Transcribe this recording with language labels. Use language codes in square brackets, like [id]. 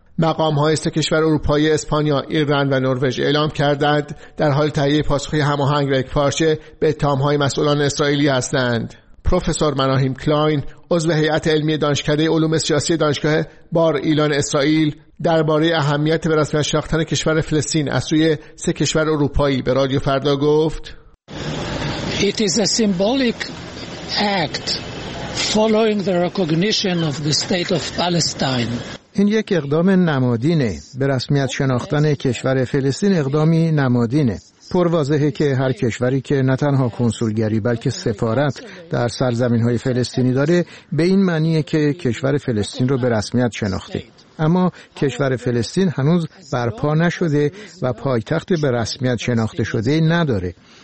[fa] مقامهای سه کشور اروپایی، اسپانیا، ایرلند و نروژ اعلام کردند در حال تهیه پاسخی هماهنگ و یکپارچه به اتهامهای مسئولان اسرائیلی هستند. پروفسور مناهیم کلاین، عضو هیئت علمی دانشکده علوم سیاسی دانشگاه بار ایلان اسرائیل، درباره اهمیت به رسمیت شناختن کشور فلسطین از سوی سه کشور اروپایی به رادیو فردا گفت: [en] It is a symbolic act following the recognition of the state of Palestine. [fa] این یک اقدام نمادینه. به رسمیت شناختن کشور فلسطین اقدامی نمادینه. پرواضحه که هر کشوری که نه تنها کنسولگری بلکه سفارت در سرزمین‌های فلسطینی داره به این معنیه که کشور فلسطین رو به رسمیت شناخته. اما کشور فلسطین هنوز برپا نشده و پایتخت به رسمیت شناخته شده نداره.